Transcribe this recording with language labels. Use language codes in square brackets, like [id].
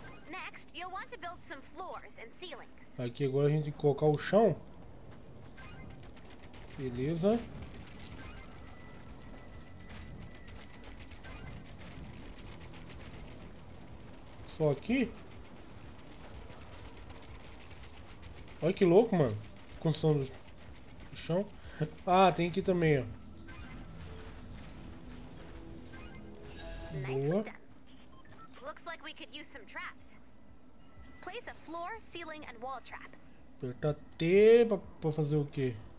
[en] Next, you'll want to build some floors and ceilings. [pt] Aqui agora a gente tem que colocar o chão. Beleza. Só aqui. Olha que louco, mano. Construção do chão. Ah, tem aqui também, ó. Boa. [en] Looks like we could use some traps. Place a floor, ceiling and wall trap. [pt] Apertar T pra fazer o quê?